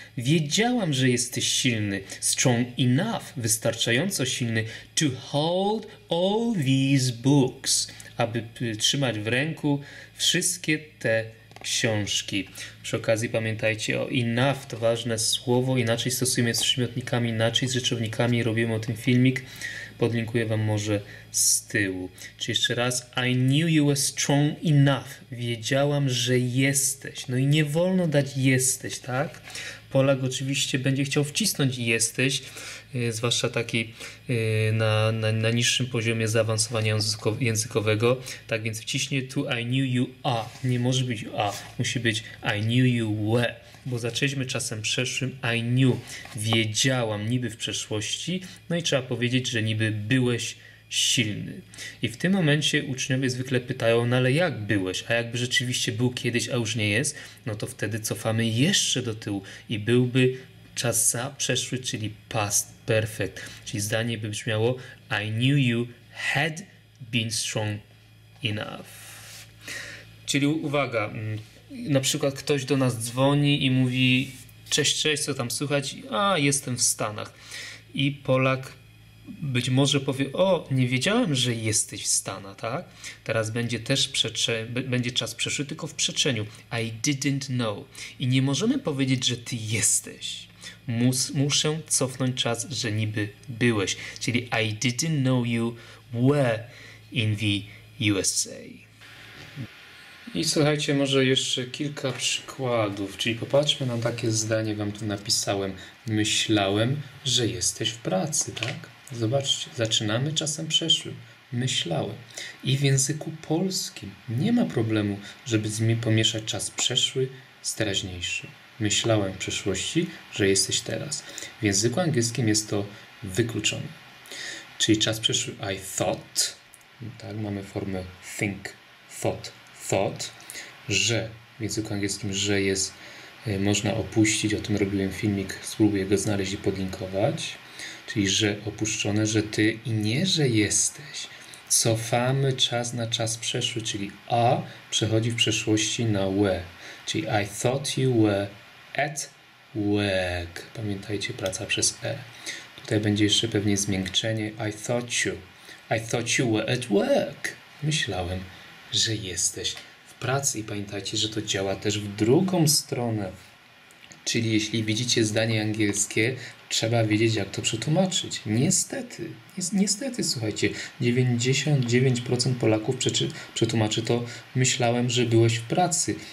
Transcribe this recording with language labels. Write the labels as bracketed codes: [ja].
[pl] Wiedziałam, że jesteś silny. [en] Strong enough, [pl] wystarczająco silny, [en] to hold all these books. [pl] Aby trzymać w ręku wszystkie te książki. Przy okazji pamiętajcie o enough, to ważne słowo. Inaczej stosujemy z przymiotnikami, inaczej z rzeczownikami. Robimy o tym filmik. Podlinkuję wam może z tyłu. Czy jeszcze raz, [en] I knew you were strong enough. [pl] Wiedziałam, że jesteś. No i nie wolno dać jesteś, tak? Polak oczywiście będzie chciał wcisnąć jesteś, zwłaszcza taki na niższym poziomie zaawansowania językowego. Tak więc wciśnie tu [en] I knew you are. [pl] Nie może być a, musi być [en] I knew you were. [pl] Bo zaczęliśmy czasem przeszłym, [en] I knew, [pl] wiedziałam, niby w przeszłości, no i trzeba powiedzieć, że niby byłeś silny. I w tym momencie uczniowie zwykle pytają, no ale jak byłeś, a jakby rzeczywiście był kiedyś, a już nie jest, no to wtedy cofamy jeszcze do tyłu i byłby czas za przeszły, czyli past perfect. Czyli zdanie by brzmiało, [en] I knew you had been strong enough. [pl] Czyli uwaga, na przykład ktoś do nas dzwoni i mówi, cześć, cześć, co tam słychać? A, jestem w Stanach. I Polak być może powie, o, nie wiedziałem, że jesteś w Stanach, tak? Teraz będzie też będzie czas przeszły, tylko w przeczeniu. [en] I didn't know. [pl] I nie możemy powiedzieć, że ty jesteś. Muszę cofnąć czas, że niby byłeś. Czyli [en] I didn't know you were in the USA. [pl] I słuchajcie, może jeszcze kilka przykładów, czyli popatrzmy na takie zdanie, wam tu napisałem. Myślałem, że jesteś w pracy, tak? Zobaczcie, zaczynamy czasem przeszłym. Myślałem. I w języku polskim nie ma problemu, żeby z mi pomieszać czas przeszły z teraźniejszym. Myślałem w przeszłości, że jesteś teraz. W języku angielskim jest to wykluczone. Czyli czas przeszły [en] I thought, [pl] tak, mamy formę [en] think, thought. [pl] Thought, że w języku angielskim, że jest, można opuścić, o tym robiłem filmik, spróbuję go znaleźć i podlinkować, czyli że opuszczone, że ty i nie, że jesteś. Cofamy czas na czas przeszły, czyli a przechodzi w przeszłości na were, czyli [en] I thought you were at work. [pl] Pamiętajcie, praca przez e. Tutaj będzie jeszcze pewnie zmiękczenie. [en] I thought you were at work. [pl] Myślałem, że jesteś w pracy. I pamiętajcie, że to działa też w drugą stronę. Czyli jeśli widzicie zdanie angielskie, trzeba wiedzieć, jak to przetłumaczyć. Niestety, niestety, słuchajcie, 99% Polaków przetłumaczy to, myślałem, że byłeś w pracy.